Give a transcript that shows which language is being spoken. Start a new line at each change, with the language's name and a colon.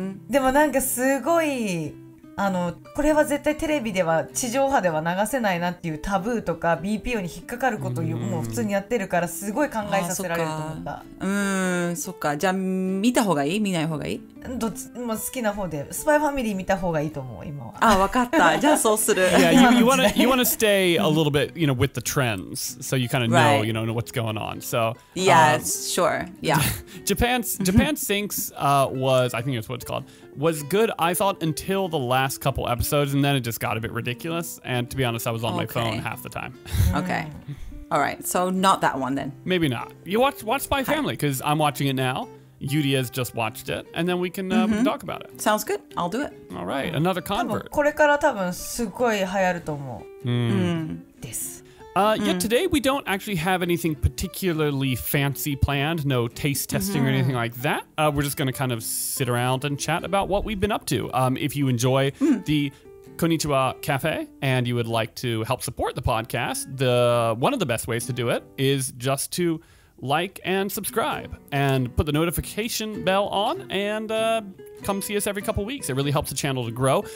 Japanese: でもなんかすごい、これは絶対テレビでは地上波では流せないなっていうタブーとか BPO に引っかかることをもう普通にやってるからすごい考えさせられると思った。そっか。じゃあ見た方がいい、見ない方がいい、どっちも好きな方で。スパイファミリー見た方がいいと思う今は。あ、分かった、じゃあそうする。
English: You want to stay a little bit, you know, with the trends so you kind of know, you know, what's going on. So yeah, sure, yeah. Japan Sinks was, I think that's what it's called, was good, I thought, until the last couple episodes, and then it just got a bit ridiculous. And to be honest, I was on my phone half the time. Okay. All right. So not that one then. Maybe not. You watch Spy Family, because I'm watching it now. Yuri has just watched it, and then we can、mm-hmm. talk about it. Sounds good. I'll do it. All right,、mm. another convert.
Japanese: これから多分すごい流行ると思う。です。
English: Yeah, today we don't actually have anything particularly fancy planned. No taste testing、mm-hmm. or anything like that.、we're just going to kind of sit around and chat about what we've been up to.、if you enjoy、mm. the Konnichiwa Cafe and you would like to help support the podcast, one of the best ways to do it is just to like and subscribe and put the notification bell on and、come see us every couple weeks. It really helps the channel to grow.